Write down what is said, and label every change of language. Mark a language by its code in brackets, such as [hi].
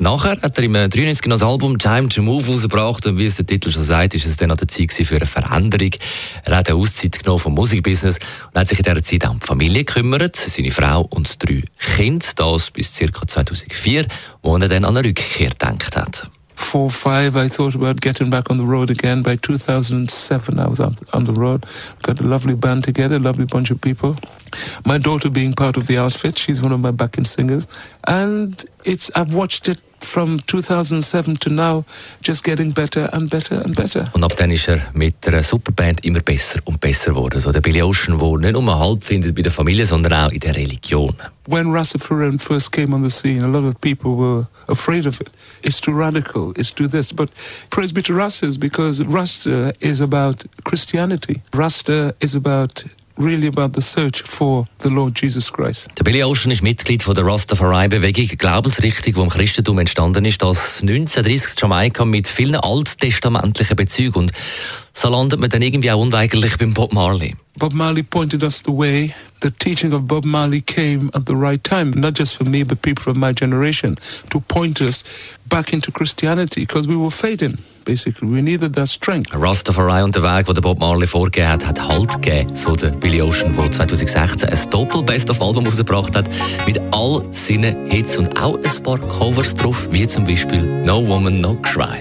[de] Nachher hat er im 93 noch das Album Time to Move rausgebracht und wie es der Titel schon sagt, ist es dann an der Zeit für eine Veränderung. Er hat eine Auszeit genommen vom Musikbusiness und hat sich in dieser Zeit um die Familie gekümmert, seine Frau und drei Kinder, das bis ca. 2004, wo er dann an eine Rückkehr gedacht hat. [en] 4-5, I thought about getting back on the road again. By 2007, I was on the road. Got a lovely band together, a lovely bunch of people. My daughter being part of the outfit, she's one of my backing singers. And I've watched it from 2007 to now, just getting better and better and better. [de] Und ab dann ist er mit einer Superband immer besser und besser geworden. So der Billy Ocean, der nicht nur Halt findet bei der Familie, sondern auch in der Religion. [en] When Rastafarian first came on the scene, a lot of people were afraid of it. It's too radical, it's too this. But praise be to Rasta, because Rasta is about Christianity. Rasta is about really about the search for the Lord Jesus Christ. [de] Der Billy Ocean ist Mitglied von der Rastafari-Bewegung, eine Glaubensrichtung, die im Christentum entstanden ist, das 1930 in Jamaika mit vielen alttestamentlichen Bezügen. Und so landet man dann irgendwie auch unweigerlich beim Bob Marley. [en] Bob Marley pointed us the way. The teaching of Bob Marley came at the right time, not just for me, but people of my generation, to point us back into Christianity, because we were fading. Basically, we needed that strength. [de] Rastafari und der Weg, den Bob Marley vorgegeben hat, hat Halt gegeben, so der Billy Ocean, der 2016 ein Doppel-Best-of-Album rausgebracht hat, mit all seinen Hits und auch ein paar Covers drauf, wie zum Beispiel «No Woman, No Cry».